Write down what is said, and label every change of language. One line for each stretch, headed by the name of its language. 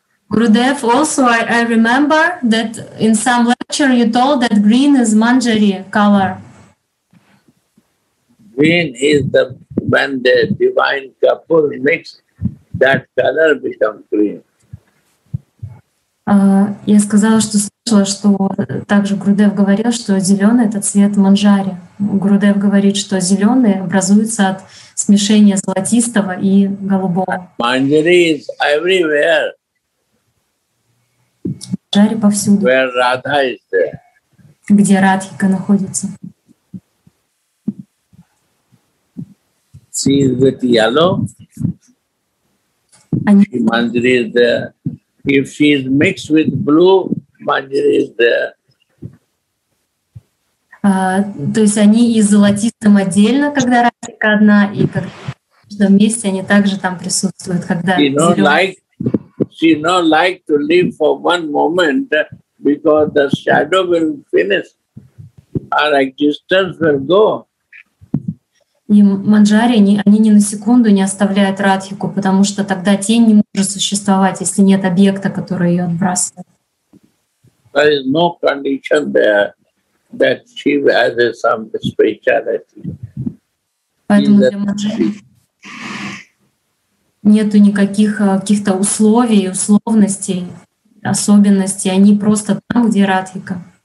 English: Gurudev, also I remember that in some lecture you told that green is manjari color. Green is the when the divine couple mix, that color becomes green.
Russian: Я сказала, что слышала, что также Гурудев говорил, что зеленый — это цвет манджари. Гурудев говорит, что зеленый образуется от смешения золотистого и голубого.
English: Манджари is everywhere.
Russian: Манджари повсюду.
English: Where Radha is there.
Russian: Где Радхика находится.
English: She is with yellow.
Russian: Они...
English: Манджари is there. If she is mixed with blue, manjari is there.
Russian: То есть они и золотистым отдельно, когда Радхика одна, и когда вместе они также там присутствуют, когда
English: she not like to live for one moment because the shadow will finish. Our existence will go.
Russian: И манджари, они ни на секунду не оставляют Радхику, потому что тогда тень не может существовать, если нет объекта, который ее отбрасывает.
English: There is no condition there that she has some speciality.
Russian: Поэтому для манджари нету никаких каких-то условий, условностей, особенностей. Они просто там, где Радхика.